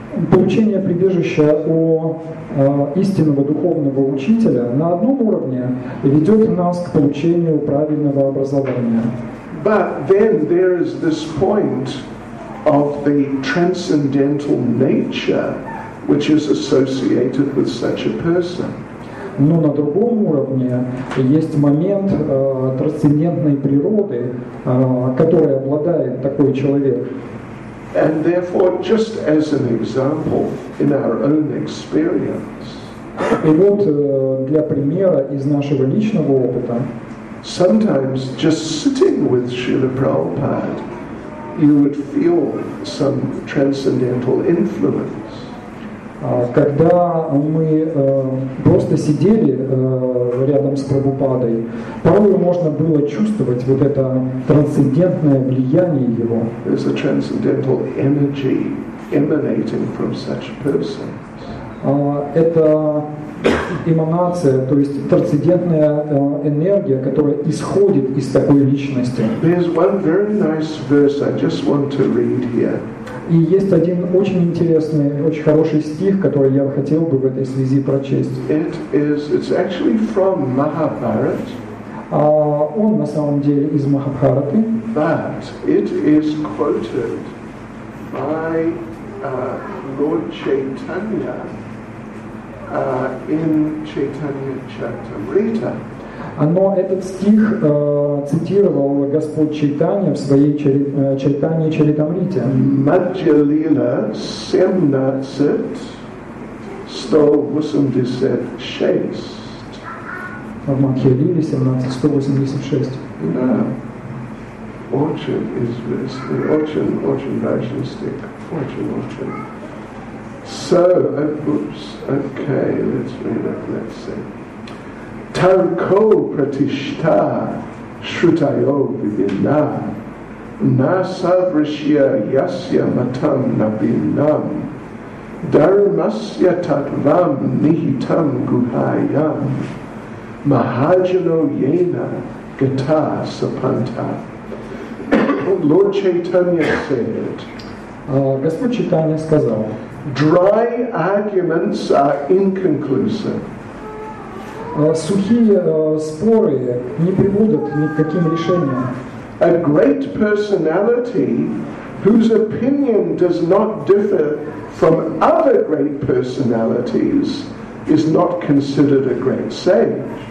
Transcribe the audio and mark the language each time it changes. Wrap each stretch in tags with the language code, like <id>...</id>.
<ru>Получение прибежища у истинного духовного учителя на одном уровне ведет нас к получению правильного образования.</ru> <en>But then there is this point of the transcendental nature, which is associated with such a person.</en> <ru>Но на другом уровне есть момент трансцендентной природы, которой обладает такой человек.</ru> <en>And therefore, just as an example in our own experience.</en> <ru>И вот для примера из нашего личного опыта.</ru> <en>Sometimes just sitting with Srila Prabhupada, you would feel some transcendental influence.</en> <ru>Когда мы просто сидели рядом с Прабхупадой, порой можно было чувствовать вот это трансцендентное влияние его.</ru> <en>There's a transcendental energy emanating from such persons.</en> <ru>Это эманация, то есть трансцендентная энергия, которая исходит из такой личности.</ru> <en>There's one very nice verse I just want to read here.</en> <ru>И есть один очень интересный, очень хороший стих, который я хотел бы в этой связи прочесть.</ru> <en>It's actually from Mahabharata.</en> <ru>Он на самом деле из Махабхараты.</ru> <en>But it is quoted by Lord Chaitanya in Chaitanya Charitamrita.</en> <ru>Но этот стих цитировал Господь Чайтанья в своей Чайтанье Чаритамрите. Маджалила семнадцат сто восемьдесят шесть. В Маджалиле 17, 186. Да. Очень известный, очень, очень важный стих. Очень, очень.</ru> <en>So, oops, okay, let's read it, let's see.</en> <sa>Tarko pratishta shrutayo vivinna na savrishya yasya matam nabinnam dharmasya tatvam nihitam guhayam mahajano yena gata sapanta.</sa> <en>Lord Chaitanya said,</en> <ru>Господь Чайтанья сказал,</ru> <en>dry arguments are inconclusive.</en> <ru>Сухие споры не приводят ни к каким решениям.</ru> <en>A great personality, whose opinion does not differ from other great personalities, is not considered a great sage.</en>